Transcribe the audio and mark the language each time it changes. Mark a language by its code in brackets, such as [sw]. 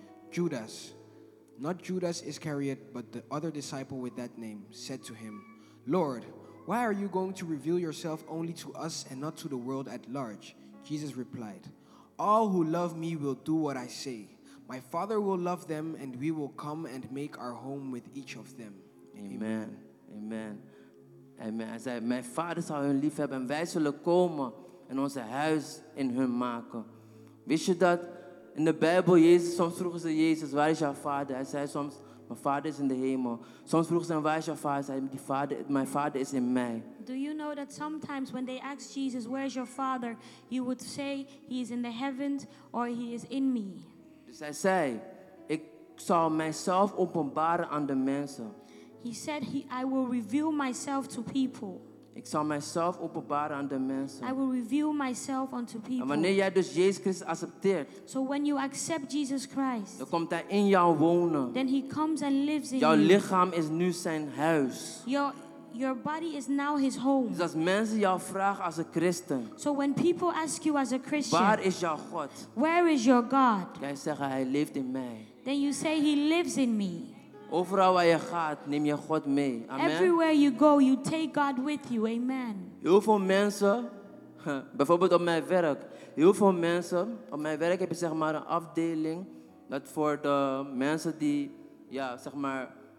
[en] Judas, not Judas Iscariot, but the other disciple with that name, said to him, Lord, why are you going to reveal yourself only to us and not to the world at large? Jesus replied, All who love me will do what I say. My Father will love them and we will come and make our home with each of them. Amen. Amen. Amen. [nl] Hij zei, mijn Vader zal hun lief hebben en wij zullen komen en onze huis in hun maken. Wist je dat in de Bijbel, Jezus, soms vroegen ze Jezus, waar is jouw Vader? Hij zei soms, mijn Vader is in de hemel. Soms vroegen ze hem, waar is jouw Vader? Hij zei, die Vader, mijn Vader is in mij. [en] Do you know that sometimes when they ask Jesus, where is your Father? He would say, he is in the heavens or he is in me. [nl] Zij zei, ik zal mijzelf openbaren aan de mensen. [en] He said, I will reveal myself to people. [nl] Ik zal mijzelf openbaren aan de mensen. [en] I will reveal myself unto people. [nl] En wanneer jij dus Jezus Christus accepteert. [en] So when you accept Jesus Christ. [nl] Dan komt hij in jou wonen. [en] Then he comes and lives in [nl] jouw [en] you. [nl] Jouw lichaam is nu zijn huis. [en] Your body is now his home. [nl] Dus als mensen jou vragen als een christen. [en] So when people ask you as a Christian. [nl] Waar is jouw God? [en] Where is your God? [nl] Jij zegt hij leeft in mij. [en] Then you say he lives in me. [nl] Overal waar je gaat neem je God mee. Amen. [en] Everywhere you go you take God with you. Amen. [nl] Heel veel mensen. Bijvoorbeeld op mijn werk. Heel veel mensen. Op mijn werk heb je zeg maar een afdeling. Dat voor de mensen die. Ja zeg maar.